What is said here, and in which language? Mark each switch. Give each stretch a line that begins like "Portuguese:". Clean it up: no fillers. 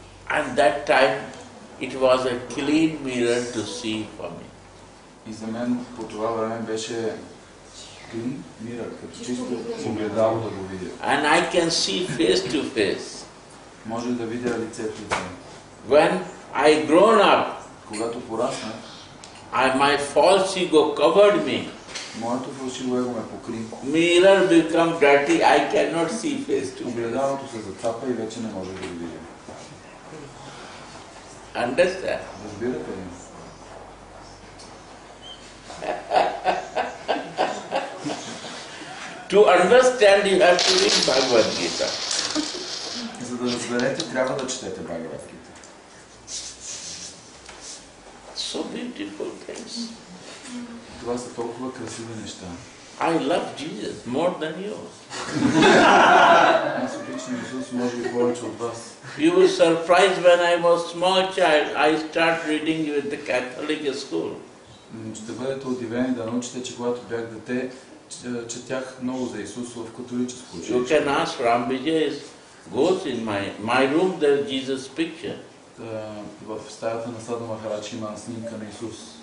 English: And that time it was a clean mirror to see for me.
Bulgarian: И за мен по това време беше
English: clean mirror,
Bulgarian: като чисто огледало да го видя.
English: And I can see face to face.
Bulgarian: Може да видя лицето си.
English: When I grown up,
Bulgarian: когато пораснах,
English: my false ego covered me.
Bulgarian: Моето фалшиво его ме покри.
English: Mirror become dirty, I cannot see face to face.
Bulgarian: Огледалото се зацапа и вече не може да го видя.
English: Understand?
Bulgarian: Разбирате ли?
English: To understand, you have to read Bhagavad Gita.
Bulgarian: За да разберете, трябва да четете Bhagavad Gita.
English: So beautiful things.
Bulgarian: Това са толкова красиви неща.
English: I love Jesus more than you.
Bulgarian: Аз обичам Исус може би повече от вас.
English: You were surprised when I was small child, I start reading you at the Catholic school.
Bulgarian: Ще бъдете удивени да научите, че когато бях дете, четях много за Исус в католическо училище.
English: You can ask Rambija, goes in my room, there is Jesus picture.
Bulgarian: В стаята на Саду Махарадж има снимка на Исус.